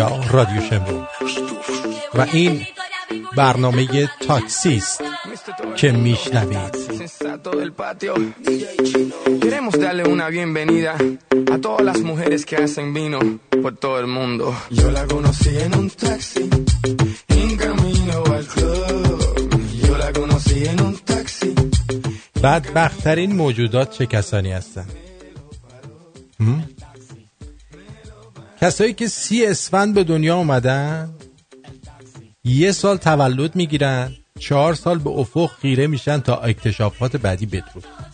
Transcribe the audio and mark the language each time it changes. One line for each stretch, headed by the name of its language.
Persian: رادیو شمرون و این برنامه تاکسی است که میشنوید.
Spanish: Queremos darle una bienvenida a todas las mujeres que hacen vino por todo el mundo. Yo la conocí en un taxi en camino al club. Yo la conocí en un taxi.
Persian: بدبخت‌ترین موجودات چه کسانی هستند؟ کسایی که 30 اسفند به دنیا اومدن، 1 سال تولد میگیرن، 4 سال به افق خیره میشن تا اکتشافات بعدی بدرود.